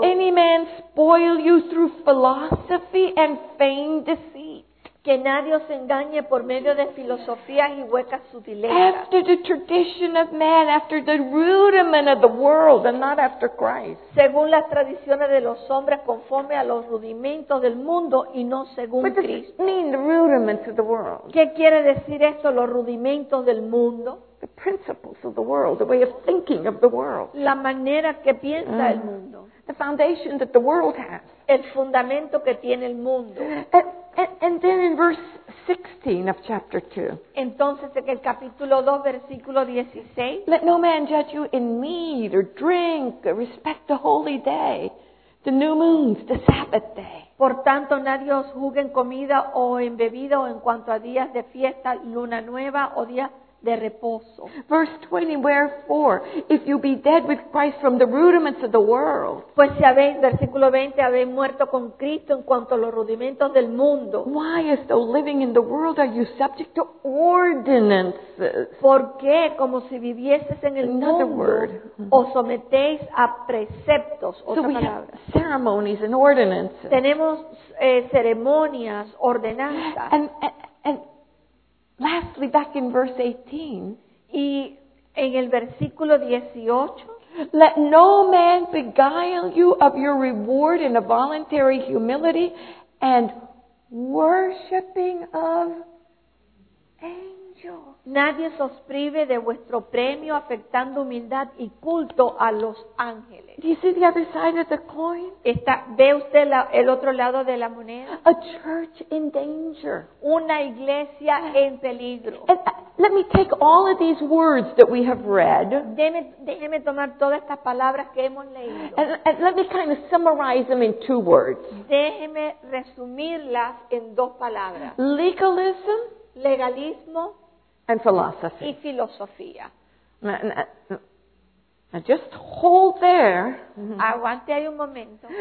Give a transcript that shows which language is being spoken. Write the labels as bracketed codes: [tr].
[en] Let any man spoil you through philosophy and feigned deceit. [es] Que nadie os engañe por medio de filosofías y huecas sutilezas. [en] After the tradition of man, after the rudiment of the world, and not after Christ. [es] Según las tradiciones de los hombres, conforme a los rudimentos del mundo y no según [en] what [es] Cristo. [en] Does it mean, the rudiments of the world? [es] ¿Qué quiere decir esto, los rudimentos del mundo? [en] The principles of the world, the way of thinking of the world. [es] La manera que piensa el mundo. [en] The foundation that the world has. [es] El fundamento que tiene el mundo. [en] And then in verse 16 of chapter 2. [es] Entonces en el capítulo 2, versículo 16. [en] Let no man judge you in meat or drink, or respect the holy day, the new moons, the Sabbath day. [es] Por tanto, nadie os juzgue en comida o en bebida o en cuanto a días de fiesta, luna nueva o día de reposo. [en] Verse 20, wherefore, if you be dead with Christ from the rudiments of the world. [es] Pues si habéis, versículo 20, habéis muerto con Cristo en cuanto a los rudimentos del mundo. [en] Why, as though living in the world, are you subject to ordinances? [es] ¿Por qué, como si vivieses en el mundo, os sometéis a preceptos? [en] So we have ceremonies and ordinances. [es] Tenemos ceremonias, ordenanzas. [en] And lastly, back in verse 18. [es] Y en el versículo 18. [en] Let no man beguile you of your reward in a voluntary humility and worshiping of angels. [es] Nadie os prive de vuestro premio afectando humildad y culto a los ángeles. [en] Do you see the other side of the coin? [es] ¿Ve usted el otro lado de la moneda? [en] A church in danger. [es] Una iglesia en peligro. [en] And let me take all of these words that we have read. [es] Déjeme tomar todas estas palabras que hemos leído. [en] And let me kind of summarize them in two words. [es] Déjeme resumirlas en dos palabras. [en] Legalism. [es] Legalismo. [en] And philosophy. [es] Y filosofía. [en] Now just hold there. [es] Aguante ahí un momento.